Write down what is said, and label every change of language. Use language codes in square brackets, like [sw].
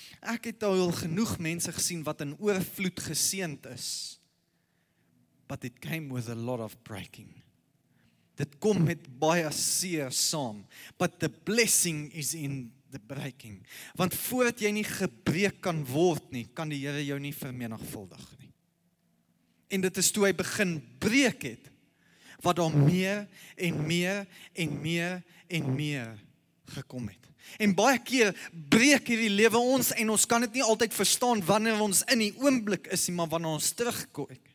[af] Ek het al genoeg mense gesien wat in oorvloed geseend is. [en] But it came with a lot of breaking. [af] Dit kom met baie seer saam. [en] But the blessing is in the breaking. [af] Want voordat jy nie gebreek kan word nie, kan die Here jou nie vermenigvuldig nie. En dit is toe hy begin breek het, wat daar meer en meer en meer en meer gekom het. En baie keer breek hierdie lewe ons, en ons kan dit nie altyd verstaan wanneer ons in die oomblik is, maar wanneer ons terugkom.